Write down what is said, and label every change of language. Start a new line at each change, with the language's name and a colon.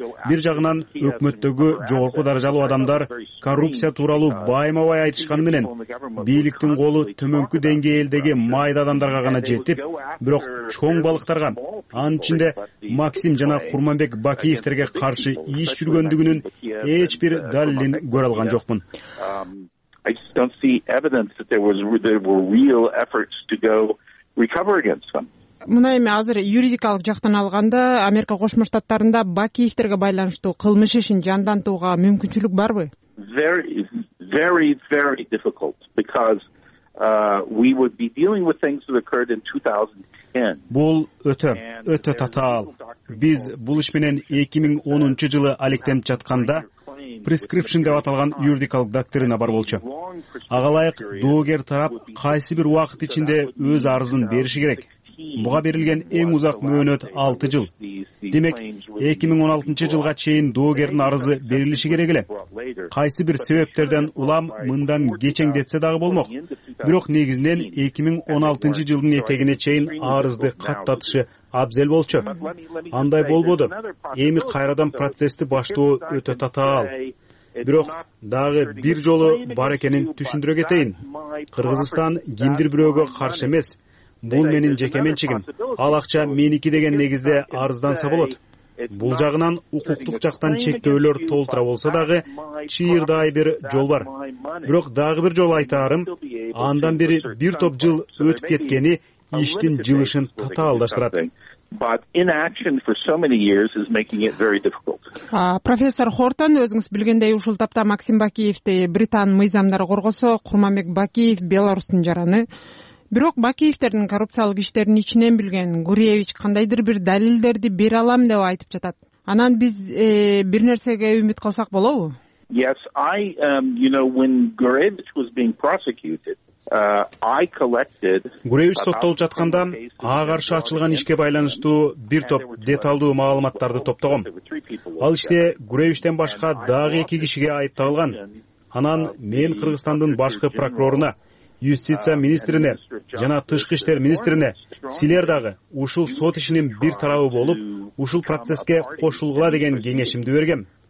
Kyrgyz: Бир жагынан өкмөттөгү жогорку даражалуу адамдар коррупция тууралуу байма-бай айтышканы менен бийликтин колу төмөнкү деңгээлдеги майда адамдарга гана жетип, бирок чоң балыктарга, анын ичинде Максим жана Курманбек Бакиевдерге каршы иш жүргөндүгүнүн эч бир далилин көрө алган жокмун.
English: I just don't see evidence that there were real efforts to go recover against them.
Kyrgyz: Мына эми азыр юридикалык жактан алганда Америка Кошмо Штаттарында Бакиевдерге байланыштуу кылмыш ишин жандантууга мүмкүнчүлүк барбы?
English: Very very very difficult because we would be dealing with things that occurred in 2010.
Kyrgyz: Бул өтө татаал. Биз бул иш менен 2010 жылы алектенип жатканда prescription деп аталган юридикалык доктрина бар болчу. Ага ылайык доогер тарап кайсы бир убакыт ичинде өз арызын бериши керек. Буга берилген эң узак мөөнөт 6 жыл. Демек 2016 жылга чейин доогердин арызы берилиши керек эле. Кайсы бир себептерден улам мындан кечеңдетсе дагы болмок. Бирок негизинен 2016 жылдын этегине чейин арызды каттатышы абзел болчу. Андай болбоду. Эми кайрадан процессти баштоо өтө татаал. Бирок дагы бир жолу бар экенин түшүндүрө кетейин. Кыргызстан кимдир бирөөгө каршы эмес. Бул менин жеке менчигим. Ал акча меники деген негизде арызданса болот. Бул жагынан укуктук жактан чектөөлөр толтура болсо дагы чыйырдай бир жол бар. Бирок дагы бир жол айтаарым, андан бери бир топ жыл өтүп кеткени иштин жылышын татаалдаштырат.
English: But inaction for so many years is making it very difficult.
Kyrgyz: Профессор Хортон, өзүңүз билгендей, ушул тапта Максим Бакиевди Британ мыйзамдары коргосо, Курманбек Бакиев Беларусьтун жараны. Бирок Бакиевдердин коррупциялык иштеринин ичинен билген Гуревич кандайдыр бир далилдерди бере алам деп айтып жатат. Анан биз бир нерсеге үмүт кылсак болобу?
English: Yes, I you know, when Gurevich was being prosecuted, I collected
Kyrgyz: Gurevich соттолуп жатканда ага каршы ачылган ишке байланыштуу бир топ деталдуу маалыматтарды топтогом. Ал иште Gurevichтен башка дагы 2 кишиге айып тагылган. Анан мен Кыргызстандын башкы прокуроруна, юстиция министрине жана тышкы иштер министрине, силер дагы ушул сот ишинин бир тарабы болуп, ушул процесске кошулгула деген кеңешимди бергем.